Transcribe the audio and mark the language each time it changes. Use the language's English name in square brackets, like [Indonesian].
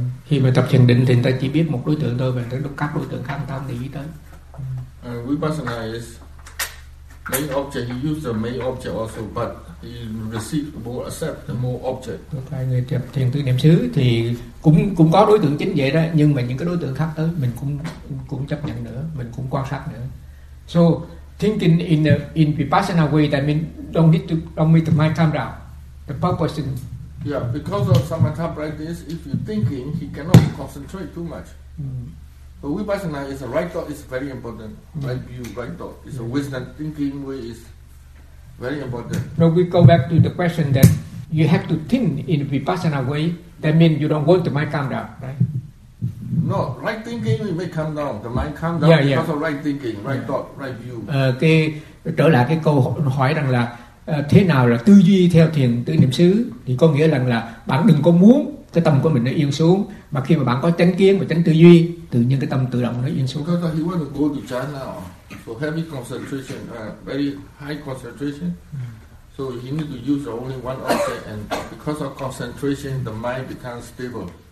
[Vietnamese] Khi mà tập thiền định thì người ta chỉ biết một đối tượng thôi, và các đối tượng khác không để ý tới. [English] Vipassana is main object, he use the main object also, but he receive more, accept the more object. [Vietnamese] Okay, người tập thiền tứ niệm xứ thì cũng có đối tượng chính vậy đó, nhưng mà những cái đối tượng khác tới mình cũng chấp nhận nữa, mình cũng quan sát nữa. [English] So thinking in Vipassana way, that means don't need to mind calm down. The purpose is, yeah, because of samatha practice, if you're thinking, he cannot concentrate too much. But Vipassana is a right thought, is very important. Right view, right thought. It's a wisdom thinking way, is very important. Now we go back to the question that you have to think in Vipassana way, that means you don't want the mind calm down, right? No, right thinking we may calm down. The mind calm down because of right thinking, right thought, right view. [Vietnamese] Trở lại cái câu hỏi rằng là thế nào là tư duy theo thiền tứ niệm xứ, thì có nghĩa rằng là bạn đừng có muốn cái tâm của mình nó yên xuống, mà khi mà bạn có chánh kiến và chánh tư duy, tự nhiên cái tâm tự động nó yên xuống. [English] Because he wants to go to China for heavy concentration, very high concentration, so he need to use only one object, and because of concentration the mind becomes stable.